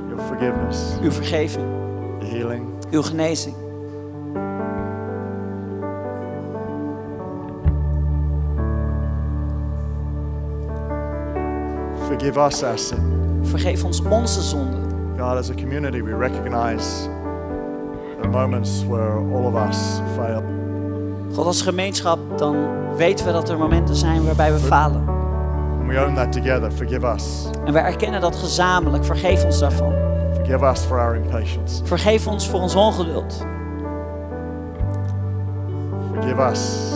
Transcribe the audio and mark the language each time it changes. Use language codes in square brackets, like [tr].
[en] Your forgiveness. [nl] Uw vergeving. [en] Your healing. [nl] Uw genezing. [en] Forgive us our sin. [nl] Vergeef ons onze zonden. [en] God, as a community, we recognize the moments where all of us fail. [nl] God, als gemeenschap, dan weten we dat er momenten zijn waarbij we falen. [en] We own that together. Forgive us. [nl] En we erkennen dat gezamenlijk. Vergeef ons daarvan. [en] Forgive us for our impatience. [nl] Vergeef ons voor ons ongeduld. [en] Forgive us.